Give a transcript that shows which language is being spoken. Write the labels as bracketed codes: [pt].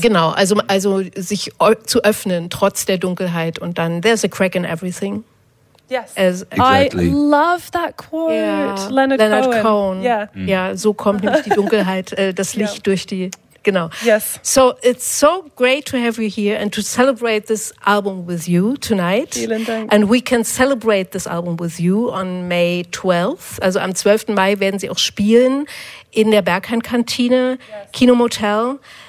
[de] Genau, also sich zu öffnen trotz der Dunkelheit und dann [en] there's a crack in everything. Yes, exactly. I love that quote, Leonard Cohen. Yeah, yeah. [de] So kommt nämlich die Dunkelheit, das Licht durch die. Genau. [en] Yes. So it's so great to have you here and to celebrate this album with you tonight. [de] Vielen Dank. [en] And we can celebrate this album with you on May 12th. [de] Also am 12. Mai werden sie auch spielen in der Berghain-Kantine, Kino Motel.